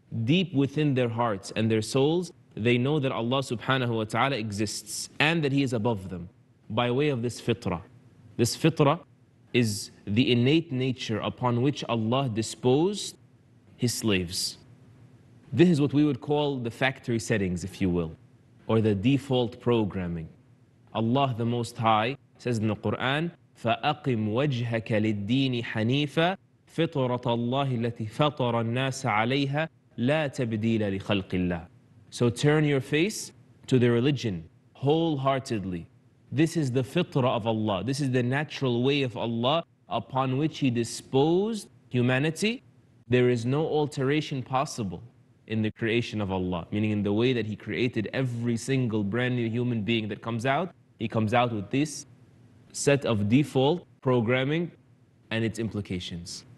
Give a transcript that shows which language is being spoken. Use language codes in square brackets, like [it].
[en] Deep within their hearts and their souls, they know that Allah subhanahu wa ta'ala exists and that he is above them by way of this fitrah. This fitrah is the innate nature upon which Allah disposed his slaves. This is what we would call the factory settings, if you will, or the default programming. Allah the Most High says in the Quran, [ar] فَأَقِمْ وَجْهَكَ لِلدِّينِ حَنِيفًا فِطْرَةَ اللَّهِ الَّتِي فَطَرَ النَّاسَ عَلَيْهَا لَا تَبْدِيلَ لِخَلْقِ اللَّهِ. [en] So turn your face to the religion wholeheartedly. This is the fitrah of Allah. This is the natural way of Allah upon which He disposed humanity. There is no alteration possible in the creation of Allah, meaning in the way that He created every single brand new human being that comes out, He comes out with this set of default programming and its implications.